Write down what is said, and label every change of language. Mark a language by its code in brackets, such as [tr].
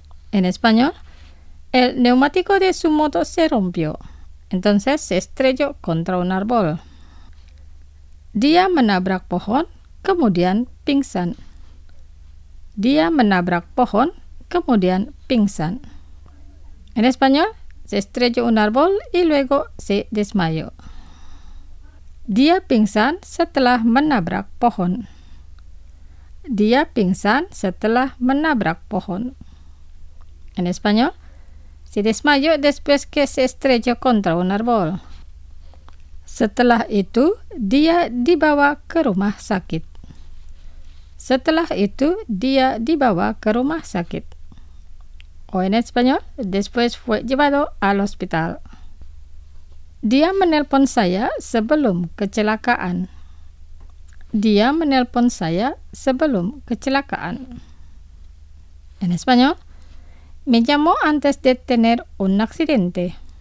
[es] En español, el neumático de su moto se rompió, entonces se estrelló contra un árbol. [id] Dia menabrak pohon, kemudian pingsan. Dia menabrak pohon, kemudian pingsan. [es] En español, se estrelló un árbol y luego se desmayó. [id] Dia pingsan setelah menabrak pohon. Dia pingsan setelah menabrak pohon. [es] En español, se desmayó después que se estrelló contra un árbol. [id] Setelah itu, dia dibawa ke rumah sakit. Setelah itu, dia dibawa ke rumah sakit. [es] o en español, después fue llevado al hospital. [id] Dia menelpon saya sebelum kecelakaan. Dia menelpon saya sebelum kecelakaan. [es] En español, me llamó antes de tener un accidente.